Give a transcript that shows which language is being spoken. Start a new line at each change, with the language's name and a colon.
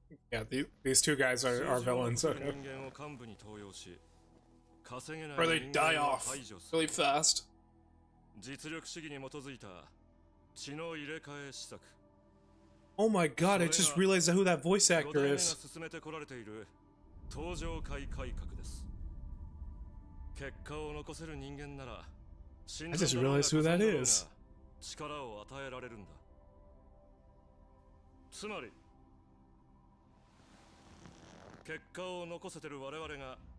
English: Yeah, these two guys are villains. Okay.
Japanese: 人間を幹部に登用し。
English: Or they die off really fast.
Japanese: 実力主義に基づいた血の入れ替え施策。
English: Oh my god, I just realized who that voice actor is.
Japanese: 5代目が進めてこられている登場会改革です。結果を残せる人間なら、I
English: just realized who that is.
Japanese: 力を与えられるんだ。つまり、結果を残せてる我々が